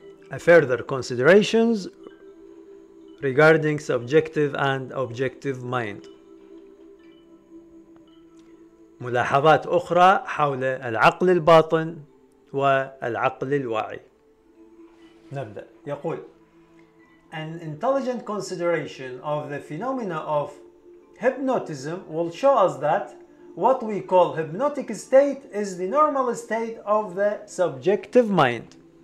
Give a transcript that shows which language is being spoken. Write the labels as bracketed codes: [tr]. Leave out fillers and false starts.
[en] A further considerations regarding subjective and objective mind. [ar] ملاحظات أخرى حول العقل الباطن والعقل الواعي. نبدأ. يقول: [en] An intelligent consideration of the phenomena of hypnotism will show us that what we call hypnotic state is the normal state of the subjective mind.